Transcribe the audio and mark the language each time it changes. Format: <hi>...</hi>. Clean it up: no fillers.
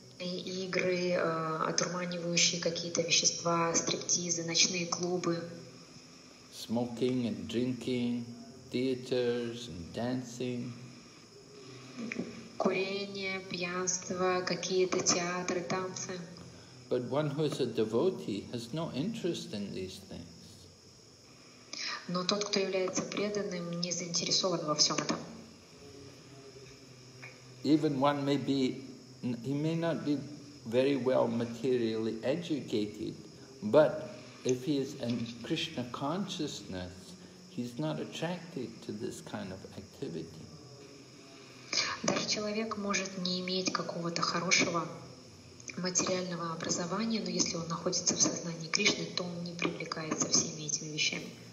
<ru>азартные игры, одурманивающие какие-то вещества, стриптизы, ночные клубы.</ru> <en>Smoking and drinking, theaters and dancing.</en> <ru>Курение, пьянство, какие-то театры, танцы.</ru> <en>But one who is a devotee has no interest in these things.</en> <ru>Но тот, кто является преданным, не заинтересован во всем этом.</ru> <en>Even one may be, he may not be very well materially educated, but if he is in Krishna consciousness, he's not attracted to this kind of activity.</en> <ru>Даже человек может не иметь какого-то хорошего материального образования, но если он находится в сознании Кришны, то он не привлекается всеми этими вещами.</ru>